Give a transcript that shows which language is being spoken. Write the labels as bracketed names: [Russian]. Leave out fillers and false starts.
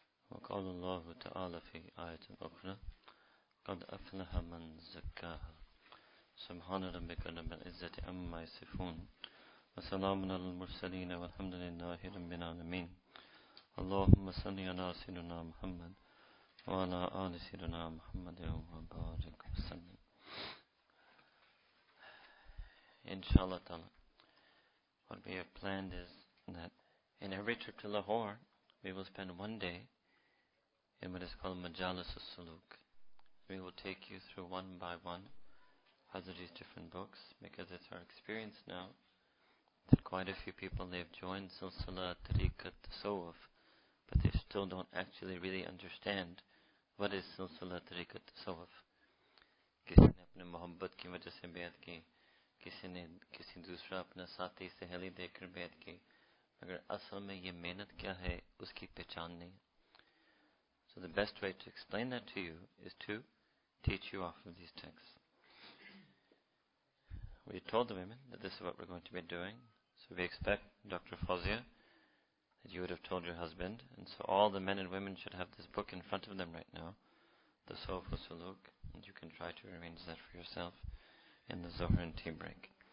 [Arabic] وقال الله تعالى في آية أخرى قد أفلح من زكاها سبحان ربك رب العزة عما يصفون وسلام على المرسلين والحمد لله رب العالمين اللهم صل على سيدنا محمد وعلى آل سيدنا محمد وبارك وسلم Inshallah ta'ala. [English] What we have planned is that in every trip to Lahore, we will spend one day in what is called Majalis al-Suluk. We will take you through one by one Hazrat's different books, because it's our experience now that quite a few people, they've joined Silsila, Tariqat, Tasawwuf, but they still don't actually really understand what is Silsila, Tariqat, Tasawwuf. [Urdu] Kisi ne apne mohabbat ki wajah se bayat ki, کسی نے کسی دوسرا اپنا ساتھی سہیلی دیکھ کر بیعت کی, مگر اصل میں یہ محنت کیا ہے اس کی پہچان نہیں. [English] So the best way to explain that to you is to teach you off of these texts. We told the women that this is what we're going to be doing, so we expect, Dr. Fauzia, that you would have told your husband, and so all the men and women should have this book in front of them right now, the Tasawwuf al-Suluk, and you can try to arrange that for yourself in the Zohar and tea break.